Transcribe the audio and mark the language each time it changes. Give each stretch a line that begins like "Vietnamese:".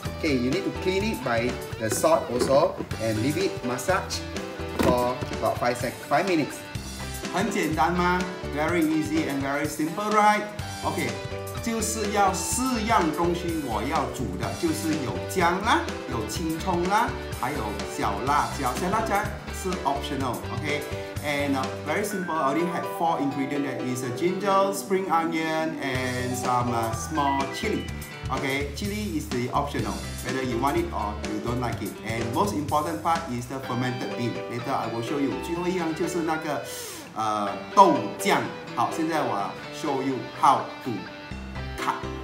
English: Okay， you need to clean it by the salt also and leave it massage for about five minutes。
Chinese: 很简单吗
English: ？Very easy and very simple， right？ Okay。
Chinese: 就是要四样东西，我要煮的就是有姜啦，有青葱啦，还有小辣椒。小辣椒是
English: optional， OK。And very simple， already have four ingredients. That is a ginger, spring onion, and some small chili. OK， chili is the optional, whether you want it or you don't like it. And most important part is the fermented bean. Later I will show you.
Chinese: 最后一样就是那个豆酱。好，现在我
English: show you how to。